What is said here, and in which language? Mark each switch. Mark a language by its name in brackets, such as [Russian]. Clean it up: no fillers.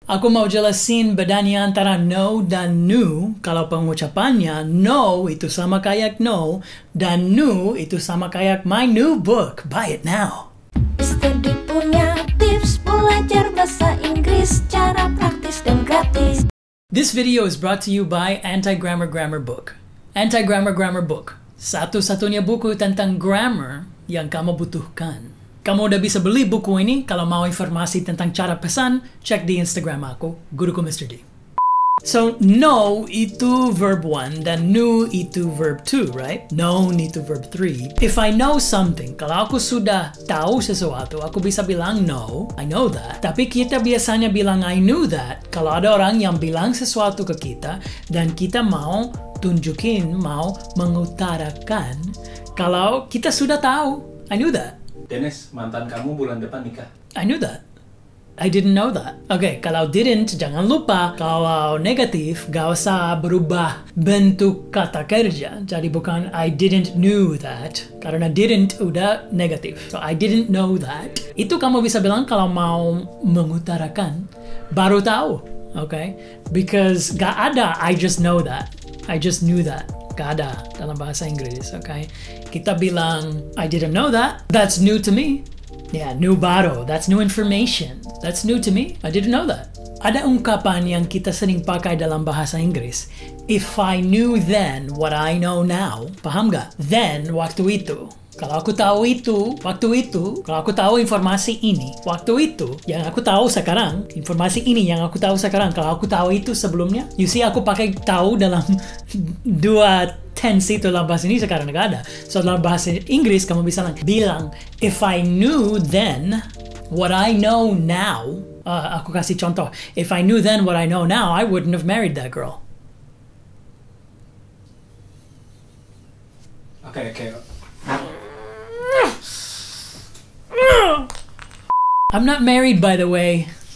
[Indonesian] Aku mau jelasin bedanya antara no dan nu. Kalau pengucapannya, no itu sama kayak no, dan nu itu sama kayak [English] my new book. Buy it now. [Indonesian] Mr. D punya tips belajar bahasa Inggris cara praktis dan gratis. [English] This video is brought to you by Anti-Grammar Grammar Book. Anti-Grammar Grammar Book. [Indonesian] Satu-satunya buku tentang grammar yang kamu butuhkan. Kamu udah bisa beli buku ini. Kalau mau informasi tentang cara pesan, cek di Instagram aku, Guruku Mr. D. So, know itu verb 1 dan knew itu verb 2, right? Known itu verb 3. [English] If I know something, [Indonesian] kalau aku sudah tahu sesuatu, aku bisa bilang know, [English] I know that. [Indonesian] Tapi kita biasanya bilang [English] I knew that. [Indonesian] Kalau ada orang yang bilang sesuatu ke kita dan kita mau tunjukin, mau mengutarakan, kalau kita sudah tahu, [English] I knew that. [Indonesian] Dennis, mantan kamu bulan depan nikah. [English] I knew that. I didn't know that. Okay, kalau didn't, [Indonesian] jangan lupa. Kalau negatif, gak usah berubah bentuk kata kerja. Jadi bukan [English] I didn't knew that. [Indonesian] Karena didn't udah negatif. [English] So I didn't know that. [Indonesian] Itu kamu bisa bilang kalau mau mengutarakan. Baru tahu, okay? [English] Because [Indonesian] gak ada [English] I just know that. I just knew that. [Indonesian] Gak ada dalam bahasa Inggris, okay? Kita bilang, [English] I didn't know that. That's new to me. Yeah, new baru. That's new information. That's new to me. I didn't know that. [Indonesian] Ada ungkapan yang kita sering pakai dalam bahasa Inggris. [English] If I knew then what I know now. [Indonesian] Paham gak? Then, waktu itu. Kalau aku tahu itu, waktu itu. Kalau aku tahu informasi ini, waktu itu. Yang aku tahu sekarang, informasi ini yang aku tahu sekarang. Kalau aku tahu itu sebelumnya, [English] you see [Indonesian] aku pakai tahu dalam dua tense itu dalam bahasa ini sekarang nggak ada. [English] So [Indonesian] dalam bahasa Inggris kamu bisa bilang, [English] if I knew then what I know now. [Indonesian] Aku kasih contoh. [English] If I knew then what I know now, I wouldn't have married that girl. Okay, okay. I'm not married, by the way.